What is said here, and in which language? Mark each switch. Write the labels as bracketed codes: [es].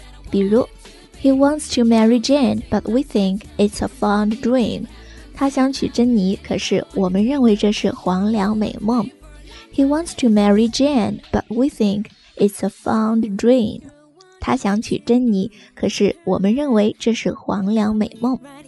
[en] 比如 He wants to marry Jane, but we think it's a fond dream. [zh] 他想娶珍妮，可是我们认为这是黄粱美梦。 [en] He wants to marry Jane, but we think it's a fond dream. [zh] 他想娶珍妮，可是我们认为这是黄粱美梦。